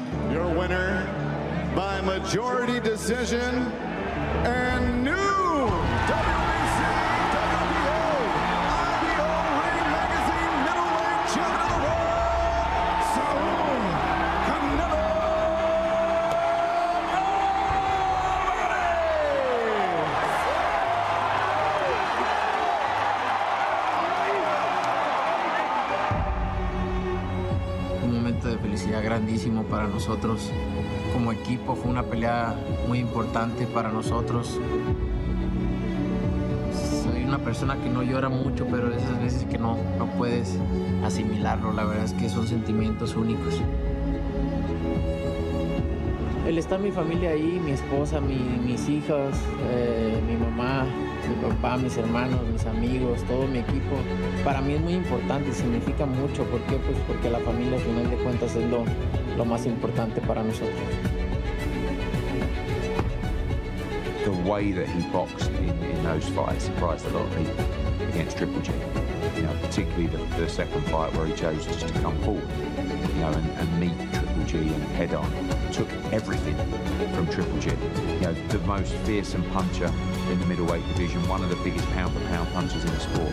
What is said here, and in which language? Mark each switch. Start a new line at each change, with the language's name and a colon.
English: Your winner by majority decision and new WBC, WBO, IBO Ring Magazine middleweight champion of the world, Saul Canelo Alvarez.
Spanish: Un momento de felicidad grandísimo para nosotros. Como equipo fue una pelea muy importante para nosotros. Soy una persona que no llora mucho, pero esas veces que no puedes asimilarlo, la verdad es que son sentimientos únicos. El estar mi familia ahí, mi esposa, mis hijos, mi mamá, mi papá, mis hermanos, mis amigos, todo mi equipo, para mí es muy importante, significa mucho. ¿Por qué? Pues porque la familia al final de cuentas es lo más importante para nosotros.
English: The way that he boxed in those fights surprised a lot of people against Triple G. You know, particularly the second fight where he chose just to come forward, you know, and meet Triple G and head on. Took everything from Triple G. You know, the most fearsome puncher in the middleweight division, one of the biggest pound-for-pound punchers in the sport.